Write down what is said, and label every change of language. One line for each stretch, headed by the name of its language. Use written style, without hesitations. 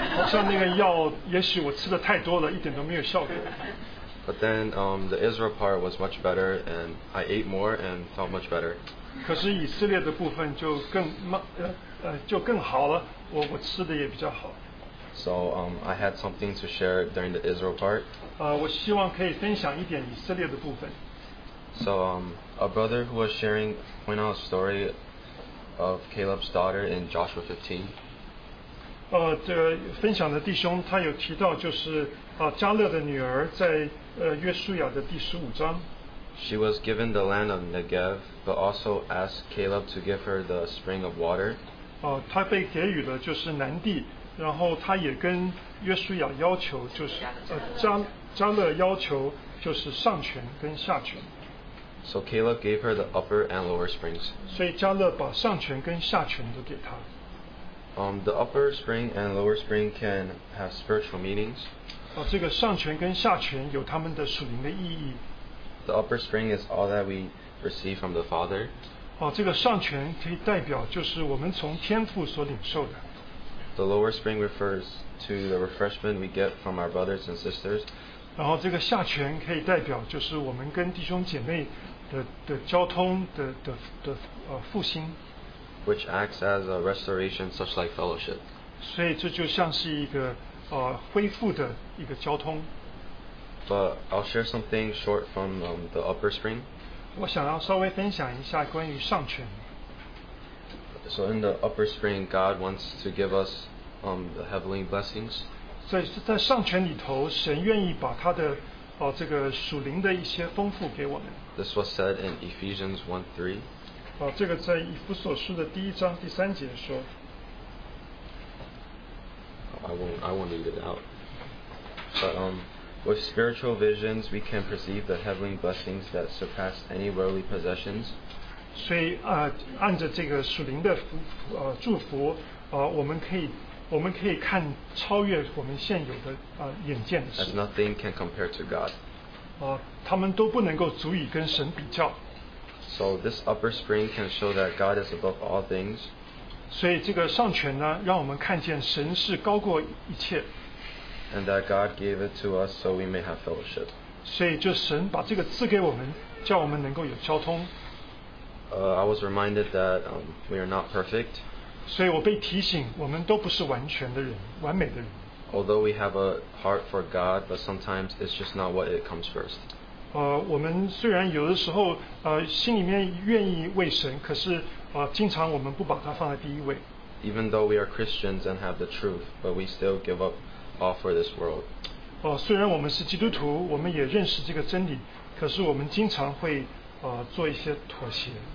Chinese: 像那个药，也许我吃的太多了，一点都没有效果。
English: But then the Israel part was much better, and I ate more and felt much better.
Chinese: 可是以色列的部分就更就更好了，我吃的也比较好。
English: So I had something to share during the Israel part.
Chinese: 我希望可以分享一点以色列的部分。
English: So a brother who was sharing pointed out a story of Caleb's daughter in Joshua 15.
Chinese: 分享的弟兄他有提到就是加勒的女儿在约书亚的第十五章。
English: She was given the land of Negev, but also asked Caleb to give her the spring of water.
Chinese: 她被给予的就是南地，然后她也跟约书亚要求，就是加勒要求就是上泉跟下泉。
English: So Caleb gave her the upper and lower springs.
Chinese: 所以加勒把上泉跟下泉都给她。
English: The upper spring and lower spring can have spiritual meanings.
Chinese: 这个上泉跟下泉有他们的属灵的意义。
English: The upper spring is all that we receive from the Father.
Chinese: 这个上泉可以代表就是我们从天父所领受的。
English: The lower spring refers to the refreshment we get from our brothers and sisters.
Chinese: 然后这个下泉可以代表就是我们跟弟兄姐妹的交通的复兴。
English: Which acts as a restoration such like fellowship.
Chinese: 所以这就像是一个恢复的一个交通。
English: But I'll share something short from the upper spring.
Chinese: 我想要稍微分享一下关于上泉。
English: So in the upper spring, God wants to give us the heavenly blessings.
Chinese: 在上泉里头，神愿意把他的这个属灵的一些丰富给我们。
English: This was said in Ephesians 1:3.
Chinese: 这个在以弗所书的第一章第三节说。
English: I won't read it out. But with spiritual visions, we can perceive the heavenly blessings that surpass any worldly possessions.
Chinese: 所以按着这个属灵的祝福我们可以看超越我们现有的眼见的事。
English: As nothing can compare to God.
Chinese: 他们都不能够足以跟神比较。
English: So this upper spring can show that God is above all things.
Chinese: 所以这个上泉呢，让我们看见神是高过一切。
English: And that God gave it to us so we may have fellowship.
Chinese: 所以就神把这个赐给我们，叫我们能够有交通。
English: I was reminded that we are not perfect.
Chinese: 所以我被提醒，我们都不是完全的人，完美的人。
English: Although we have a heart for God, but sometimes it's just not what it comes first.
Chinese: 我们虽然有的时候心里面愿意为神，可是经常我们不把它放在第一位。
English: Even though we are Christians and have the truth, but we still give up all for this world.
Chinese: 虽然我们是基督徒，我们也认识这个真理，可是我们经常会做一些妥协。